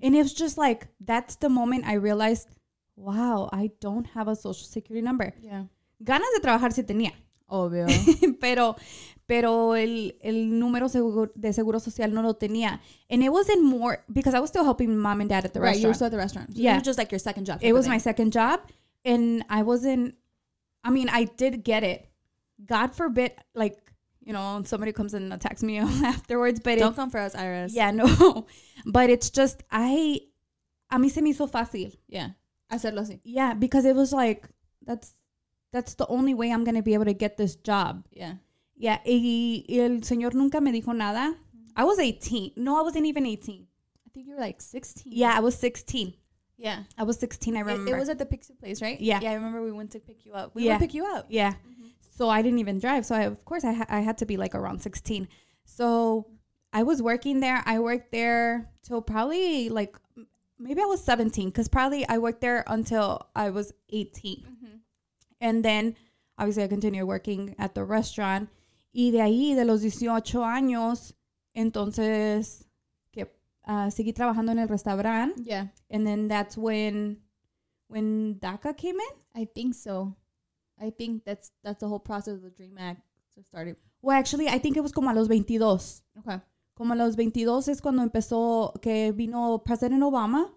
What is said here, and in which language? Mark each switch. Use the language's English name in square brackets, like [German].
[English] And it was just, like, that's the moment I realized, wow, I don't have a social security number. Yeah. [Spanish] Ganas de trabajar sí tenía. Obvio. pero el número de seguro social no lo tenía. [English] And it wasn't more, because I was still helping mom and dad at the restaurant. Right, you were still at the restaurant. So yeah. It was just, like, your second job. It was my second job. And I wasn't, I mean, I did get it. God forbid, like, you know, somebody comes and attacks me afterwards. But don't come for us, Iris. Yeah, no. But it's just, [Spanish] a mí se me hizo fácil. [English] Yeah, [Spanish] hacerlo así. [English] Yeah, because it was like, that's the only way I'm going to be able to get this job. Yeah. Yeah, [Spanish] y el señor nunca me dijo nada. [English] Mm-hmm. I was 18. No, I wasn't even 18. I think you were like 16. Yeah, I was 16. Yeah. I was 16, I remember. It was at the pizza place, right? Yeah. Yeah, I remember we went to pick you up. We went to pick you up. Yeah. So I didn't even drive. So I had to be like around 16. So I was working there. I worked there till probably like, maybe I was 17. Because probably I worked there until I was 18. Mm-hmm. And then obviously I continued working at the restaurant. [Spanish] Y de ahí, de los 18 años, entonces seguí trabajando en el restaurante. [English] Yeah. And then that's when DACA came in? I think so. I think that's the whole process of the Dream Act started. Well, actually, I think it was [Spanish] como a los 22. [English] Okay. [Spanish] Como a los 22 es cuando empezó, que vino President Obama.